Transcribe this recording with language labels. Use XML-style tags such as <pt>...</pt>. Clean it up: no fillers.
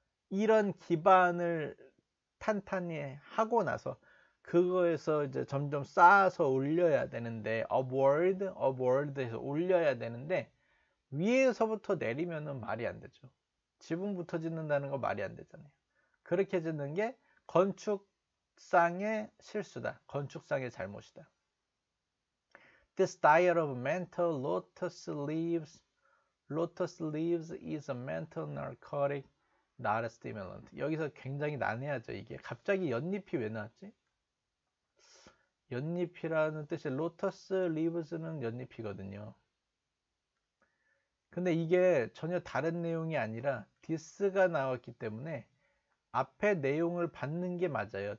<ko>이런 기반을 탄탄히 하고 나서 그거에서 이제 점점 쌓아서 올려야 되는데, award에서 올려야 되는데, 위에서부터 내리면은 말이 안 되죠. 지붕부터 짓는다는 거 말이 안 되잖아요. 그렇게 짓는 게 건축상의 실수다. 건축상의 잘못이다.</ko> <en>This diet of mental lotus leaves is a mental narcotic, not a stimulant.</en> <ko>여기서 굉장히 난해하죠, 이게. 갑자기 연잎이 왜 나왔지? 연잎이라는 뜻이 lotus leaves는 연잎이거든요. 근데 이게 전혀 다른 내용이 아니라 this가 나왔기 때문에 앞에 내용을 받는 게 맞아요.</ko>